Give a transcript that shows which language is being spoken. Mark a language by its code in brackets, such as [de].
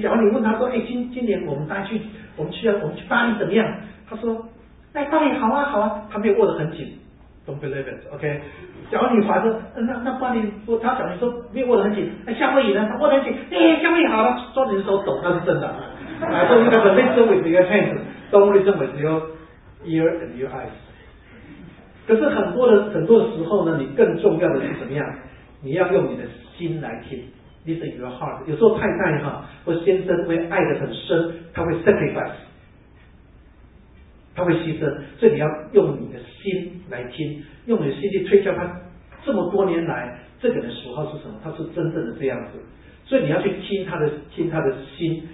[zh] 假如你问他说，哎，今年我们大家去，我们去巴黎怎么样？他说，哎，巴黎好啊好啊，他没有握得很紧 ， [en] don't believe it。 [zh] OK， 假如你反说，那巴黎，他假如说没有握得很紧，那夏威夷呢？他握得很紧，哎，夏威夷好了、啊，抓紧手抖，那是真的。啊，所以你要 [en] listen with your hands， don't listen with your ear and your eyes。 [zh] 可是很多时候呢，你更重要的是怎么样？你要用你的心来听 ， [en] listen your heart。 [zh] 有时候太太哈或先生会爱得很深，他会 sacrifice， 他会牺牲，所以你要用你的心来听，用你的心去推敲他这么多年来这个人的喜好是什么，他是真正的这样子，所以你要去听他的心。